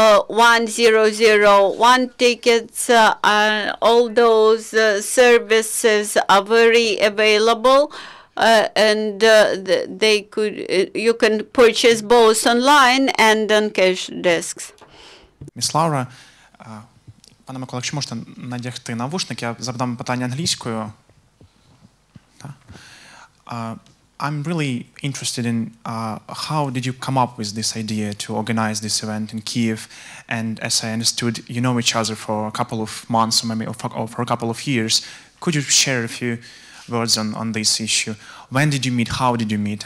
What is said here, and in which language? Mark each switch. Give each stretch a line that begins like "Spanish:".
English: 1001 tickets, and all those services are very available, and they could you can purchase both online and on cash desks.
Ukrainian: Miss Laura, пане Микола, якщо можете надягти навушник, я задам питання англійською.
English: I'm really interested in how did you come up with this idea to organize this event in Kyiv? And as I understood, you know each other for a couple of months, or maybe for a couple of years. Could you share a few words on this issue? When did you meet? How did you meet?